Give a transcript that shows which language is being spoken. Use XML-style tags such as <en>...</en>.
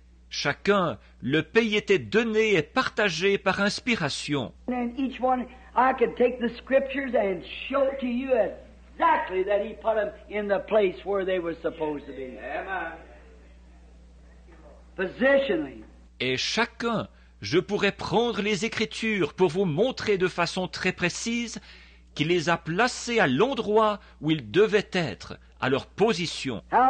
<fr>Chacun, le pays était donné et partagé par inspiration.</fr> <en>And each one, I could take the scriptures and show it to you exactly that he put them in the place where they were supposed to be. Amen. Positionally.</en> <fr>Et chacun, je pourrais prendre les Écritures pour vous montrer de façon très précise qu'il les a placées à l'endroit où ils devaient être, à leur position.</fr>